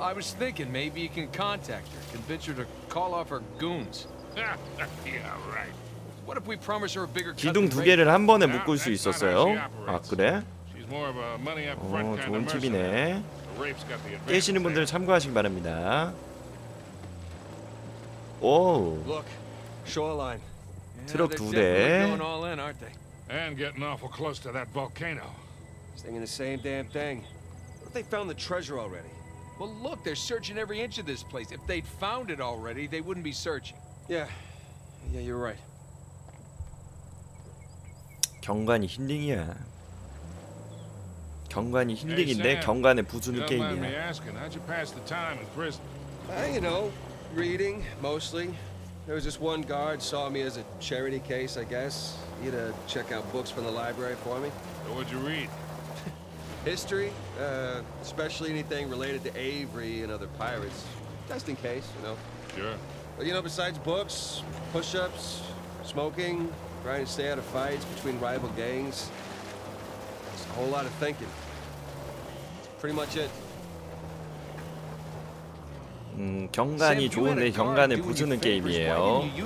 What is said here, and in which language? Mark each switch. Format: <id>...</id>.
<en>I was thinking maybe you can contact her, convince her to call off her goons. Yeah, right. What if we promise her a bigger cut?</en> <ko>기둥 두 개를 한 번에 묶을 수 있었어요. 아, 그래? 좋은 팁이네. 깨시는 분들 참고하시기 바랍니다. 오.</ko> <en>Look. Shoreline.</en> <ko>트럭 두 대.</ko> <en>And getting awful close to that volcano. Thinking the same damn thing. What if they found the treasure already? Well, look, they're searching every inch of this place. If they'd found it already, they wouldn't be searching. Yeah, yeah, you're right.</en> <ko>경관이 힐링이야. 경관이 힐링인데 경관의 부수는 게임이야.</ko> <en>How'd you pass the time in prison? You know, reading mostly. There was this one guard saw me as a charity case, I guess. He'd check out books from the library for me. So what'd you read? History, especially anything related to Avery and other pirates. Just in case, you know. Sure. But you know, besides books, push-ups, smoking, trying to stay out of fights between rival gangs, it's a whole lot of thinking. That's pretty much it.</en> <ko>경관이 좋은데 경관을 부수는 게임이에요.</ko>